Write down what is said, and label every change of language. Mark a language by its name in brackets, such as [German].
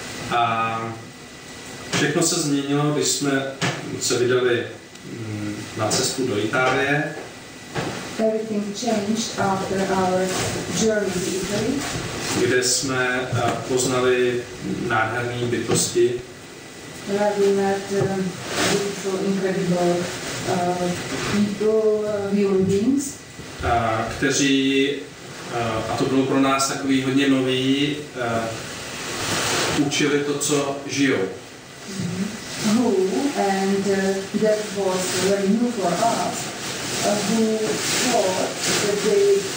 [Czech] A všechno se změnilo, když jsme se vydali na cestu do Itálie. [English] Everything changed after our journey to Italy. [Czech] Kde jsme poznali nádherné bytosti. [English] Where we met beautiful, incredible people, human beings. [Czech] Kteří, a to bylo pro nás takový hodně nový, učili to, co žijou. [English] Who, and that was very new for us, who thought that they...